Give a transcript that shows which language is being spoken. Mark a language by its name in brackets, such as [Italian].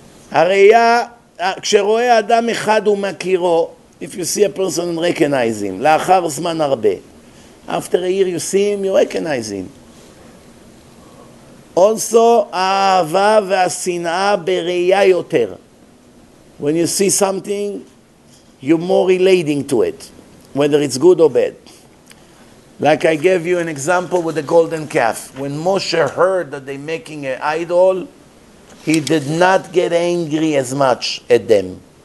[Hebrew] הראייה, כשרואה אדם אחד ומכירו, [English] if you see a person and recognize him, [Hebrew] לאחר זמן הרבה. [English] After a year you see him, you recognize him. [Hebrew] Also, האהבה והשנאה בראייה יותר. [English] When you see something, you're more relating to it, whether it's good or bad. Like I gave you an example with the golden calf. When Moshe heard that they're making an idol, he did not get angry as much at them.